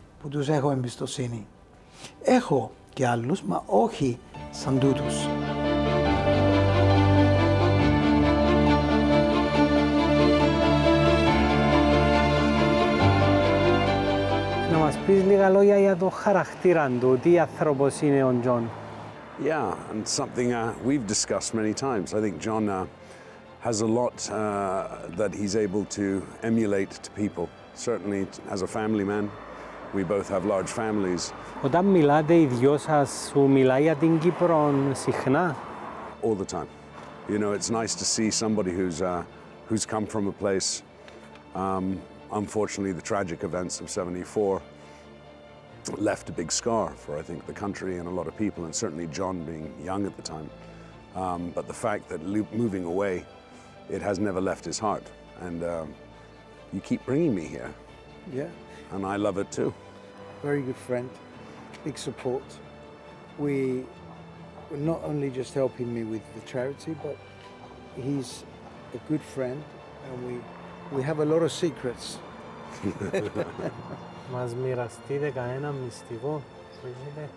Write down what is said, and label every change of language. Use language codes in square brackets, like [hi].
[el] Που τους έχω εμπιστοσύνη. Έχω και άλλους, μα όχι σαν τούτους. Πεις λίγα λόγια για το χαρακτήρα του, τι άνθρωπος είναι ο Τζον. [en] Yeah, and something we've discussed many times. I think John has a lot that he's able to emulate to people. Certainly, as a family man, we both have large families. [el] Όταν μιλάτε οι δυο σας, σου μιλάει για την Κύπρο συχνά. [en] All the time. You know, it's nice to see somebody who's come from a place. Unfortunately, the tragic events of 74. Left a big scar for, I think, the country and a lot of people, and certainly John being young at the time. But the fact that moving away, it has never left his heart. And you keep bringing me here. Yeah. And I love it too. Very good friend, big support. We not only just helping me with the charity, but he's a good friend, and we have a lot of secrets. [el] Μας μοιραστείτε κανένα μυστικό, πρέπει.